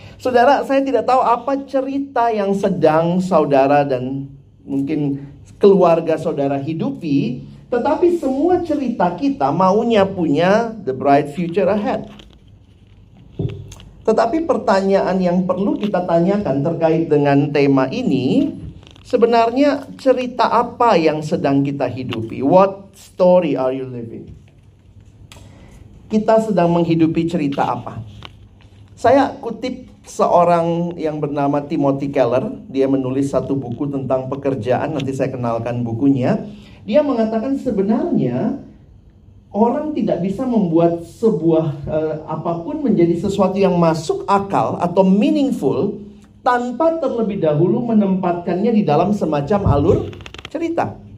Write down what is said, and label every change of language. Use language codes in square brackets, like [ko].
[id] Saudara, saya tidak tahu apa cerita yang sedang saudara dan mungkin keluarga saudara hidupi, tetapi semua cerita kita maunya punya [en] the bright future ahead. [id] Tetapi pertanyaan yang perlu kita tanyakan terkait dengan tema ini, sebenarnya cerita apa yang sedang kita hidupi? [en] What story are you living? [id] Kita sedang menghidupi cerita apa? Saya kutip seorang yang bernama Timothy Keller. Dia menulis satu buku tentang pekerjaan. Nanti saya kenalkan bukunya. Dia mengatakan sebenarnya orang tidak bisa membuat sebuah apapun menjadi sesuatu yang masuk akal atau meaningful tanpa terlebih dahulu menempatkannya di dalam semacam alur cerita.